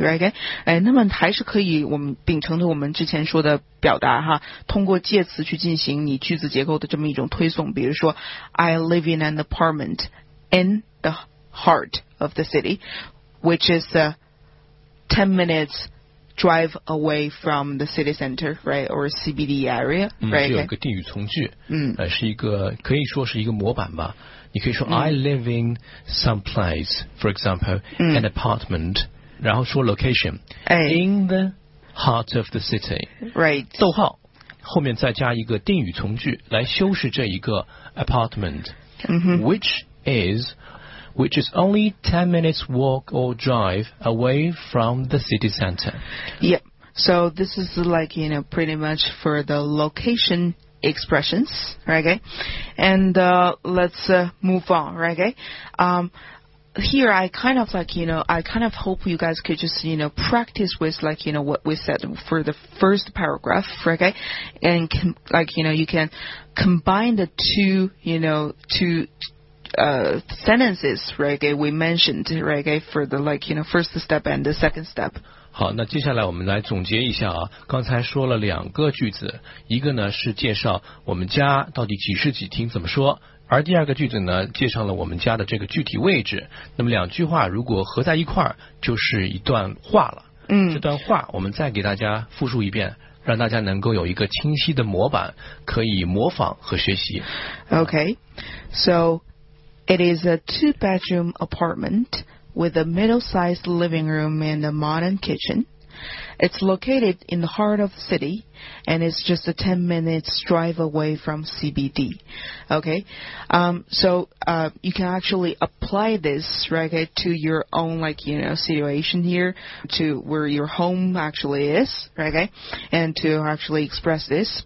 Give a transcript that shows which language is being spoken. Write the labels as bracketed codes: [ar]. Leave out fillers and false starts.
[en] Right, [zh] 哎，那么还是可以我们秉承着我们之前说的表达哈，通过介词去进行你句子结构的这么一种推送，比如说 [en] ，I live in an apartment in the heart of the city, which is 10 minutes drive away from the city center, right, or CBD area, right? [zh] 有一个定语从句，是一个可以说是一个模板吧。你可以说 [en] I live in some place, for example, an apartment. [zh] 然后说 [en] location in the heart of the city, right? [zh] 逗号后面再加一个定语从句来修饰这一个 [en] apartment, which is only 10 minutes walk or drive away from the city center. Yeah, so this is like, you know, pretty much for the location expressions, right? And let's move on, right? Here, I kind of hope you guys could just, you know, practice with, like, you know, what we said for the first paragraph, right? And, you can combine the two, you know, two sentences, right? We mentioned, right? For the like, you know, first step and the second step. [zh] 好，那接下来我们来总结一下啊。刚才说了两个句子，一个呢是介绍我们家到底几室几厅怎么说，而第二个句子呢介绍了我们家的这个具体位置。那么两句话如果合在一块儿，就是一段话了。这段话我们再给大家复述一遍。让大家能够有一个清晰的模板，可以模仿和学习。 [en] Okay, so it is a two-bedroom apartment with a middle-sized living room and a modern kitchen. It's located in the heart of the city, and it's just a 10-minute drive away from CBD. Okay, you can actually apply this, right, to your own, like, you know, situation here, to where your home actually is, right, and to actually express this.